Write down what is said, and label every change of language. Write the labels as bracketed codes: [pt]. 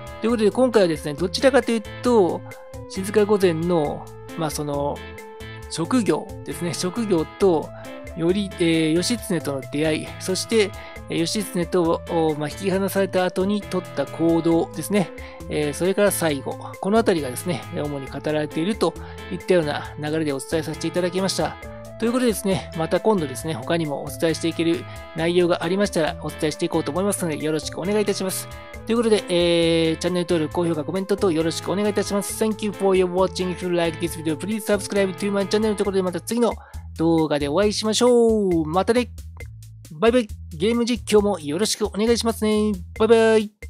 [ja] ということで、今回はですね、どちらかというと静御前の、まあ、その職業ですね、職業とより、義経との出会い、そして義経と、まあ、引き離された後に取った行動ですね、それから最後、このあたりがですね、主に語られているといったような流れでお伝えさせていただきました。ということでですね、また今度ですね、他にもお伝えしていける内容がありましたらお伝えしていこうと思いますので、よろしくお願いいたします。ということで、チャンネル登録、高評価、コメント等よろしくお願いいたします。 [en] Thank you for your watching. If you like this video, please subscribe to my channel. [ja] ということで、また次の動画でお会いしましょう。またね、バイバイ。ゲーム実況もよろしくお願いしますね。バイバイ。